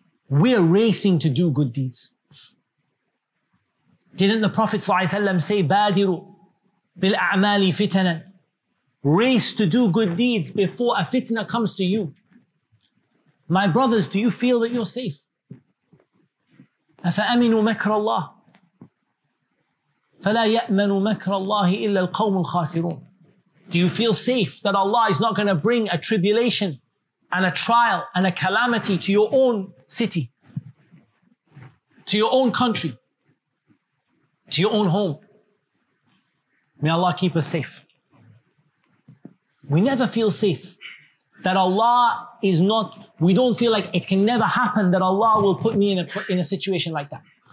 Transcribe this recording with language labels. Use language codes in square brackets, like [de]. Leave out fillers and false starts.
[en] We're racing to do good deeds. Didn't the Prophet ﷺ say, "Badiru bil a'mali fitana"? Race to do good deeds before a fitna comes to you. My brothers, do you feel that you're safe? [ar] أفأمنوا مكر الله فلا يأمن مكر الله إلا القوم الخاسرون. [en] Do you feel safe that Allah is not going to bring a tribulation and a trial and a calamity to your own city, to your own country, to your own home? May Allah keep us safe. We never feel safe that Allah is not, we don't feel like it can never happen that Allah will put me in a situation like that.